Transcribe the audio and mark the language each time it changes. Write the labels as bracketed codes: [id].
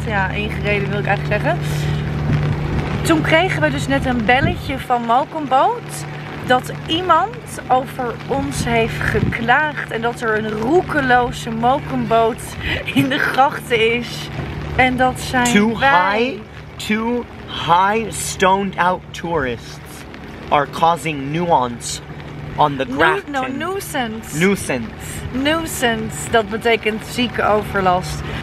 [nl] Ja, ingereden wil ik eigenlijk zeggen. Toen kregen we dus net een belletje van Malcolmboot dat iemand over ons heeft geklaagd en dat er een roekeloze Malcolmboot in de grachten is. En dat zijn [en] two [nl] wij. [en] Two high stoned out tourists are causing nuance on the Grachten. No, nuisance. Nuisance. [nl] Nuisance, dat betekent zieke overlast.